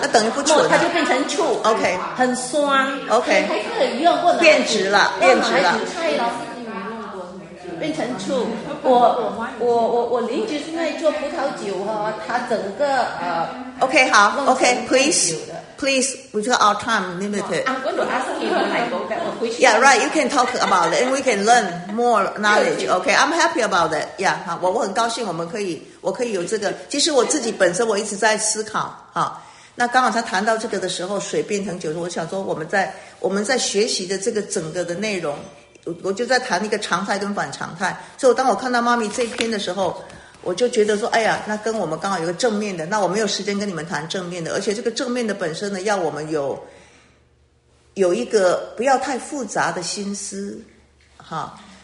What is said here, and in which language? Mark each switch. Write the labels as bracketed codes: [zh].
[zh] 那等于不纯、啊，它就变成醋，OK，很酸，OK，还是很用过的，变质了，变质了，变成醋。我邻居是那做葡萄酒哈、啊，他整个 [en] OK 好 ，OK please we have our time limited。 I'm going to ask you when I go back. Yeah, right. You can talk about it, and we can learn more knowledge. OK, I'm happy about that. [zh] Yeah， 好，我很高兴我们可以。我可以有这个，其实我自己本身我一直在思考，好，那刚好他谈到这个的时候，水变成酒，我想说我们在学习的这个整个的内容，我就在谈一个常态跟反常态。所以当我看到妈咪这篇的时候，我就觉得说，哎呀，那跟我们刚好有个正面的，那我没有时间跟你们谈正面的，而且这个正面的本身呢，要我们有一个不要太复杂的心思，哈。